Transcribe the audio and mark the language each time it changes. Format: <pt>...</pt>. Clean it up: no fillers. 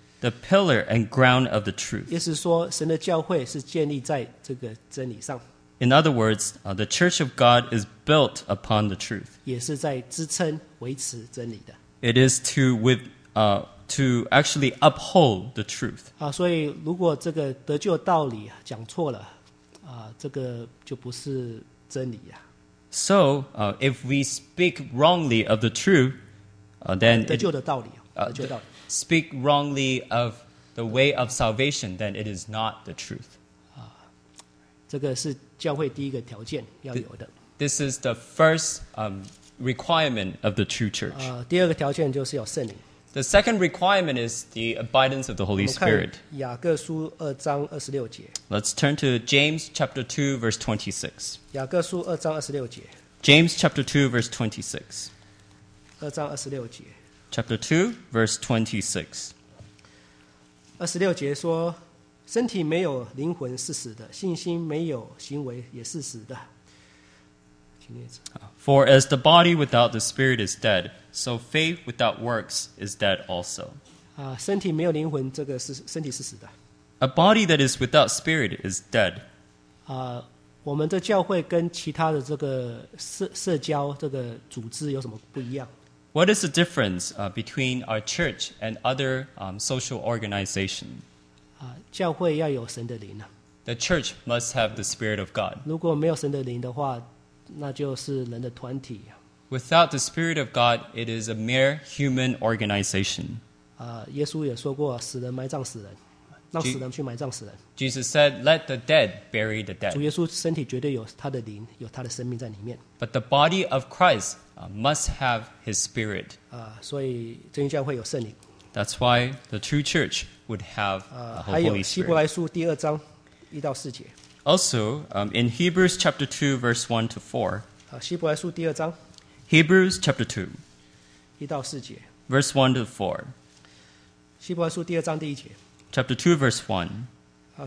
<en>The pillar and ground of the truth.</en> <zh>意思是说，神的教会是建立在这个真理上。</zh> <en>In other words, the church of God is built upon the truth.</en> <zh>也是在支撑维持真理的。</zh> <en>It is to actually uphold the truth.</en> <zh>所以如果这个得救道理讲错了，这个就不是真理。</zh> <en>So, if we speak wrongly of the truth, then</en> <zh>得救的道理，得救道理。</zh> <en>Speak wrongly of the way of salvation, then it is not the truth.</en> <zh>这个是教会第一个条件要有的。</zh> <en>This is the first requirement of the true church.</en> <zh>第二个条件就是有圣灵。</zh> <en>The second requirement is the abidance of the Holy Spirit.</en> <zh>我们看雅各书二章二十六节。</zh> <en>Let's turn to James chapter 2 verse 26.</en> <zh>雅各书二章二十六节。</zh> <en>James chapter 2 verse 26.</en> <zh>二章二十六节。</zh> <en>Chapter 2, verse 26.</en> <zh>26节说，身体没有灵魂是死的，信心没有行为也是死的。</zh> <en>For as the body without the spirit is dead, so faith without works is dead also.</en> <zh>身体没有灵魂，这个是身体是死的。</zh> <en>A body that is without spirit is dead.</en> <zh>我们的教会跟其他的这个社交这个组织有什么不一样？</zh> <en>What is the difference between our church and other social organization?</en> <zh>教会要有神的灵。</zh> <en>The church must have the Spirit of God.</en> <zh>如果没有神的灵的话，那就是人的团体。</zh> <en>Without the Spirit of God, it is a mere human organization.</en> <zh>耶稣也说过，死人埋葬死人，让死人去埋葬死人。</zh> <en>Jesus said, "Let the dead bury the dead."</en> <zh>主耶稣身体绝对有他的灵，有他的生命在里面。</zh> <en>But the body of Christ. Must have his spirit.</en> <zh>所以真耶稣教会有圣灵。</zh> <en>That's why the true church would have the Holy Spirit.</en> <zh>希伯来书第二章一到四节。</zh> <en>Also, in Hebrews chapter 2, verse 1 to 4.</en> <zh>希伯来书第二章。</zh> <en>Hebrews chapter 2.</en> <zh>一到四节。</zh> <en>Verse 1 to 4.</en> <zh>希伯来书第二章第一节。</zh> <en>Chapter 2, verse 1.</en>